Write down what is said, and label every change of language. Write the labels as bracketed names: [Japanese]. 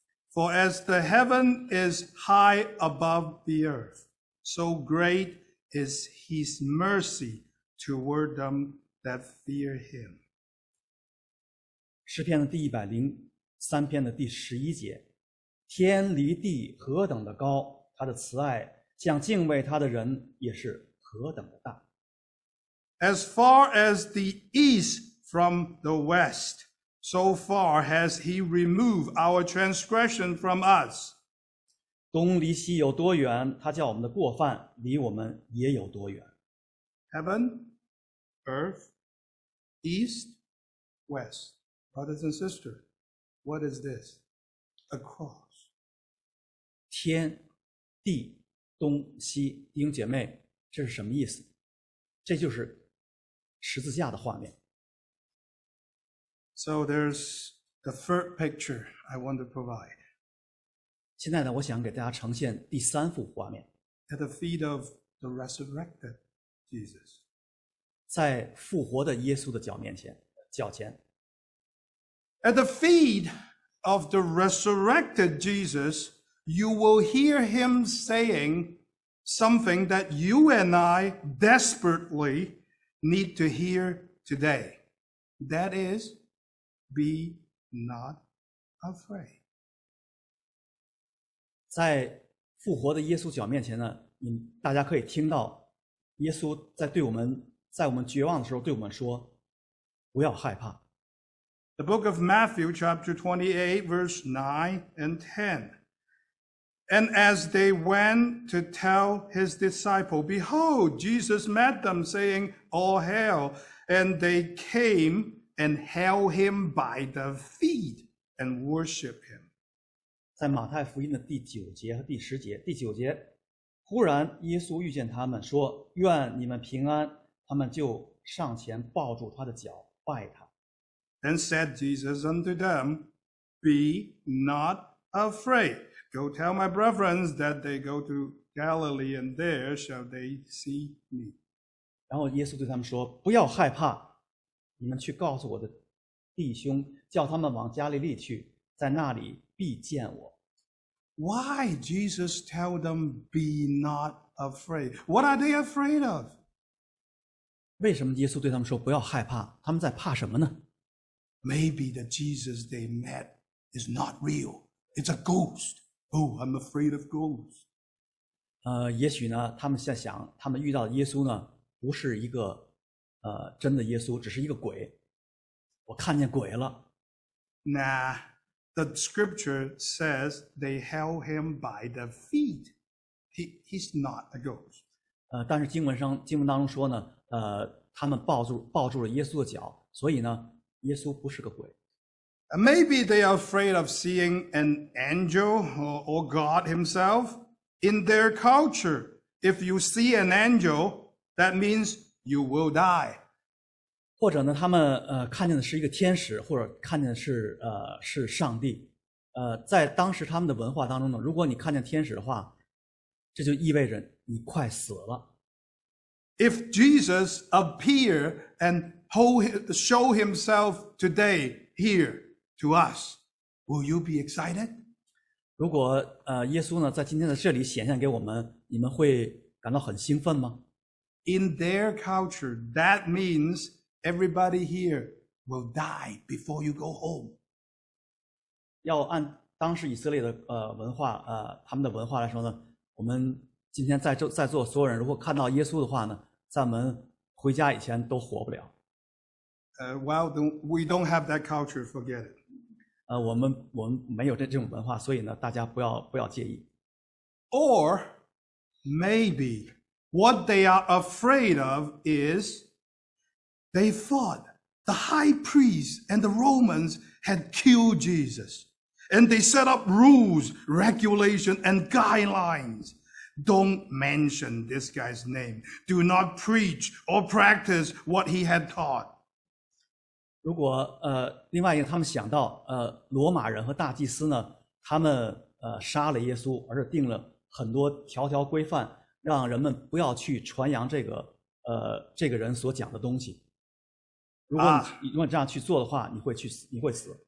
[English] For as the heaven is high above the earth, so great is his mercy toward them that fear him. [Chinese] 诗篇的第103篇的第11节，天离地何等的高，他的慈爱向敬畏他的人也是何等的大。 [English] As far as the east from the west, so far has he removed our transgression from us. [Chinese] 东离西有多远，他叫我们的过犯离我们也有多远。 [English] Heaven, earth, east, west, brothers and sisters. What is this? A cross. [Chinese] 天、地、东、西，弟兄姐妹，这是什么意思？这就是十字架的画面。 [English] So there's the third picture I want to provide. [Chinese] 现在呢，我想给大家呈现第三幅画面。 [English] At the feet of the resurrected Jesus. [Chinese] 在复活的耶稣的脚面前，脚前。 [English] At the feet of the resurrected Jesus, you will hear him saying something that you and I desperately need to hear today. That is, be not afraid. [Chinese] 在复活的耶稣脚面前呢，你大家可以听到耶稣在对我们，在我们绝望的时候对我们说，不要害怕。 [English] The book of Matthew, chapter 28, verse 9 and 10. And as they went to tell his disciples, behold, Jesus met them, saying, All hail. And they came and held him by the feet and worshiped him. [Chinese] 在马太福音的第九节和第十节，第九节，忽然耶稣遇见他们，说，愿你们平安。他们就上前抱住他的脚，拜他。 [English] Then said Jesus unto them, Be not afraid. Go tell my brethren that they go to Galilee, and there shall they see me. [Chinese] 然后耶稣对他们说，不要害怕，你们去告诉我的弟兄，叫他们往加利利去，在那里必见我。 [English] Why Jesus tell them, Be not afraid? What are they afraid of? [Chinese] 为什么耶稣对他们说，不要害怕，他们在怕什么呢？ [English] Maybe the Jesus they met is not real. It's a ghost. Oh, I'm afraid of ghosts. [Chinese] 也许呢，他们在想，他们遇到的耶稣呢，不是一个真的耶稣，只是一个鬼。我看见鬼了。 [English] Nah, the scripture says they held him by the feet. He's not a ghost. [Chinese] 但是经文当中说呢，他们抱住了耶稣的脚，所以呢。耶稣不是个鬼。 [English] Maybe they are afraid of seeing an angel or God himself. In their culture, if you see an angel, that means you will die. [Chinese] 或者呢，他们看见的是一个天使，或者看见的是是上帝。在当时他们的文化当中呢，如果你看见天使的话，这就意味着你快死了。 [English] If Jesus appear and show himself today here to us, will you be excited? [Chinese] 如果耶稣呢在今天的这里显现给我们，你们会感到很兴奋吗？ [English] In their culture, that means everybody here will die before you go home. [Chinese] 要按当时以色列的文化他们的文化来说呢，我们今天在座所有人如果看到耶稣的话呢，在我们回家以前都活不了。 [English] Well, we don't have that culture, forget it. [Chinese] 我们没有这种文化，所以呢，大家不要介意。 [English] Or maybe what they are afraid of is they thought the high priest and the Romans had killed Jesus, and they set up rules, regulations, and guidelines. Don't mention this guy's name. Do not preach or practice what he had taught. [Chinese] 如果另外一个他们想到罗马人和大祭司呢，他们杀了耶稣，而是定了很多条条规范，让人们不要去传扬这个人所讲的东西。如果这样去做的话，你会死。